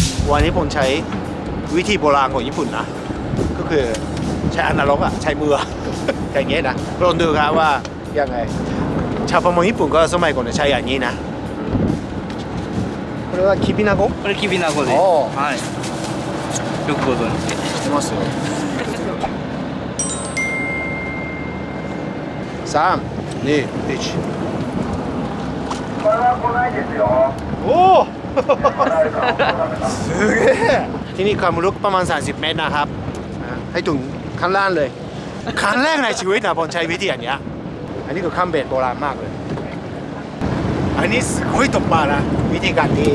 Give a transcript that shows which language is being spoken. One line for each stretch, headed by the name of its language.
Thai: วันนี้ผมใช้วิธีโบราณของญี่ปุ่นนะก็คือใช้อนาล็อกอะใช้มืออย่างเงี้ยนะลองดูครับว่ายังไงชาวประมงญี่ปุ่นก็สมัยก่อนใช้อย่างนี้นะ
Japanese: これはキビナゴこれキビナゴですはいよくご存知してますよ三二一これは来ないですよ
Thai: おสุดที่นี่ความลึกประมาณ30เมตรนะครับให้ถึงขั้นล่างเลยขั้นแรกในชีวิตนะผมใช้วิธีอันนี้อันนี้ก็ข้ามเบ็ดโบราณมากเลยอันนี้สุดตกปลานะวิธีการ